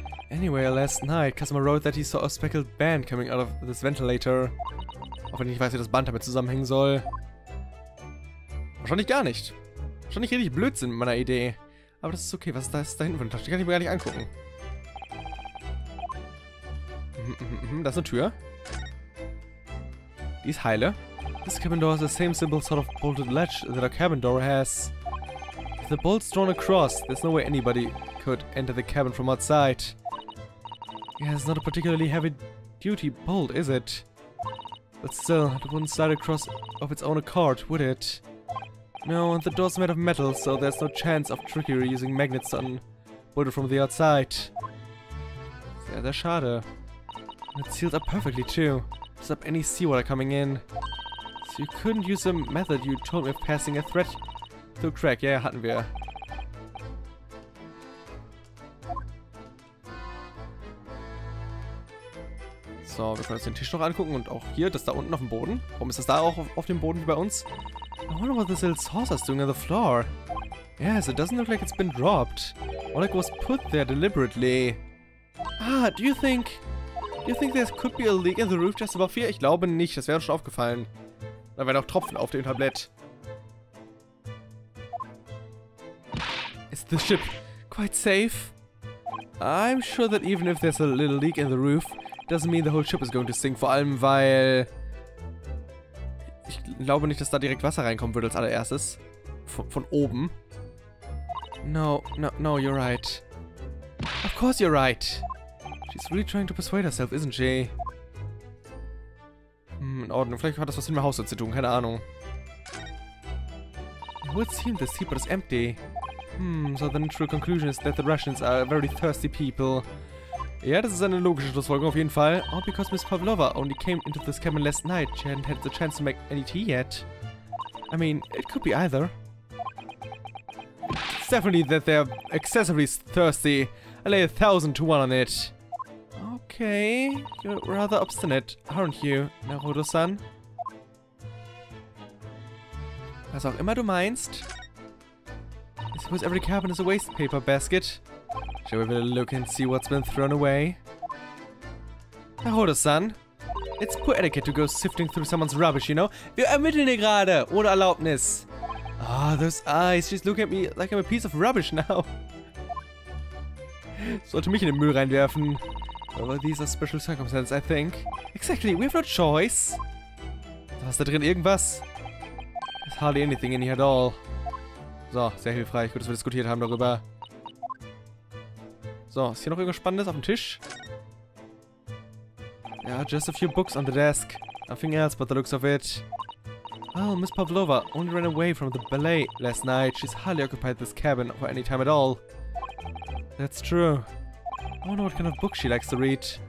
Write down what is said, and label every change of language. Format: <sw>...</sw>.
<en>Anyway, last night, Kazuma wrote that he saw a speckled band coming out of this ventilator.</en> <de>Auch wenn ich weiß, wie das Band damit zusammenhängen soll. Wahrscheinlich gar nicht. Wahrscheinlich richtig Blödsinn mit meiner Idee. Aber das ist okay, was ist da hinten von der Tasche? Die kann ich mir gar nicht angucken. Da ist eine Tür. Die ist heile.</de> <en>This cabin door has the same simple sort of bolted latch that a cabin door has. With the bolts drawn across, there's no way anybody could enter the cabin from outside. Yeah, it's not a particularly heavy duty bolt, is it? But still, it wouldn't slide across of its own accord, would it? No, and the door's made of metal, so there's no chance of trickery using magnets on wood from the outside.</en> <de>Sehr, sehr schade.</de> <en>And it's sealed up perfectly, too. To stop any seawater coming in. So you couldn't use a method you told me of passing a threat through crack.</en> <de>Yeah, hatten wir. So, wir können uns den Tisch noch angucken und auch hier, das da unten auf dem Boden. Warum ist das da auch auf dem Boden wie bei uns?</de> <en>I wonder what this little saucer's doing on the floor. Yes, it doesn't look like it's been dropped. Or like it was put there deliberately. Ah, do you think there could be a leak in the roof just above here?</en> <de>Ich glaube nicht, das wäre schon aufgefallen. Da wären auch Tropfen auf dem Tablett.</de> <en>Is the ship quite safe? I'm sure that even if there's a little leak in the roof, doesn't mean the whole ship is going to sink.</en> <de>Vor allem, weil ich glaube nicht, dass da direkt Wasser reinkommen würde als allererstes. Von oben.</de> <en>No, you're right. Of course you're right. She's really trying to persuade herself, isn't she?</en> <de>In Ordnung. Vielleicht hat das was mit dem Haus zu tun. Keine Ahnung.</de> <en>It would seem this keeper is empty. So the natural conclusion is that the Russians are very thirsty people.</en> <de>Ja, das ist eine logische Schlussfolgerung auf jeden Fall.</de> <en>All because Miss Pavlova only came into this cabin last night. She hadn't had the chance to make any tea yet. I mean, it could be either. It's definitely that they're excessively thirsty. I lay 1,000 to 1 on it. Okay, you're rather obstinate, aren't you, Naruto-san?</en> <de>Was auch immer du meinst.</de> <en>I suppose every cabin is a waste paper basket. Shall we have a look and see what's been thrown away? Naruto-san, it's poor etiquette to go sifting through someone's rubbish, you know?</en> <de>Wir ermitteln hier gerade, ohne Erlaubnis.</de> <en>Ah, those eyes, she's looking at me like I'm a piece of rubbish now.</en> <de>Sollte mich in den Müll reinwerfen.</de> <en>Well, these are special circumstances, I think. Exactly, we have no choice.</en> <de>So, ist da drin irgendwas?</de> <en>There's hardly anything in here at all.</en> <de>So, sehr hilfreich. Gut, dass wir diskutiert haben darüber. So, ist hier noch irgendwas Spannendes auf dem Tisch?</de> <en>Yeah, just a few books on the desk. Nothing else but the looks of it. Well, Miss Pavlova only ran away from the ballet last night. She's hardly occupied this cabin for any time at all. That's true. I wonder what kind of book she likes to read.</en>